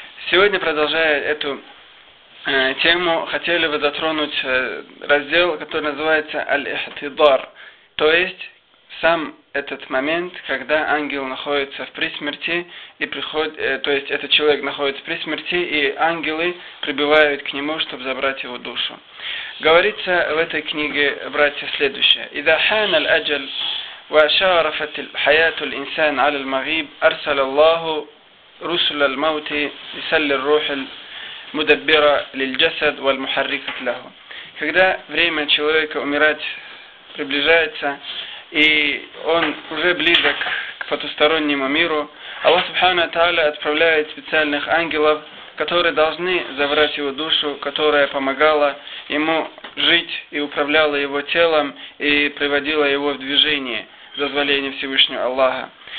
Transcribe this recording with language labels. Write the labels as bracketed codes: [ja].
[ru] Сегодня, продолжая эту тему, хотели бы затронуть раздел, который называется «Аль-Ихтидар», то есть сам этот момент, когда ангел находится в присмерти и приходит, то есть этот человек находится в присмерти, и ангелы прибывают к нему, чтобы забрать его душу. Говорится в этой книге, братья, следующее: [ar] إذا حان الأجل وشارفت حياة الإنسان على المغيب أرسل الله رسل الموت لسل الروح المدبرة للجسد والمحركة له. [ru] Когда время человека умирать приближается и он уже близок к потустороннему миру, Аллах Субхану Та'аля отправляет специальных ангелов, которые должны забрать его душу, которая помогала ему жить и управляла его телом и приводила его в движение за дозволение Всевышнего Аллаха.